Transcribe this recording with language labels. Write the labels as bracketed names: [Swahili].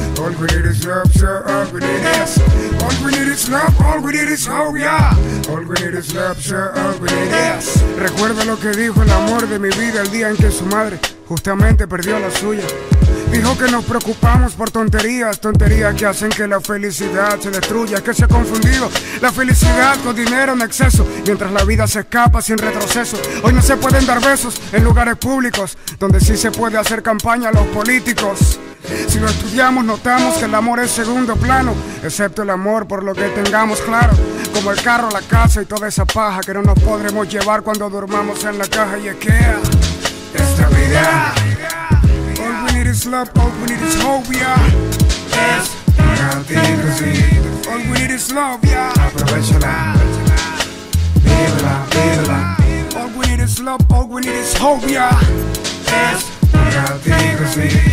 [English] All we need is love, so all we need is. All we need is love, all we need is hope, yeah. All we need is love, so all we need is. [Spanish] Recuerda lo que dijo el amor de mi vida el día en que su madre justamente perdió la suya. Dijo que nos preocupamos por tonterías, tonterías que hacen que la felicidad se destruya, que se ha confundido la felicidad con dinero en exceso, mientras la vida se escapa sin retroceso. Hoy no se pueden dar besos en lugares públicos, donde sí se puede hacer campaña a los políticos. Si lo estudiamos notamos que el amor es segundo plano, excepto el amor por lo que tengamos claro, como el carro, la casa y toda esa paja que no nos podremos llevar cuando durmamos en la caja. Y es que esta vida, [English] all we need is love, all we need is hope, yeah. [Spanish] Es para ti, sí. [English] All we need is love, yeah. [Spanish] Aprovechala, vívela, vívela. [English] All we need is love, all we need is hope, yeah. [Spanish] Es para ti, sí.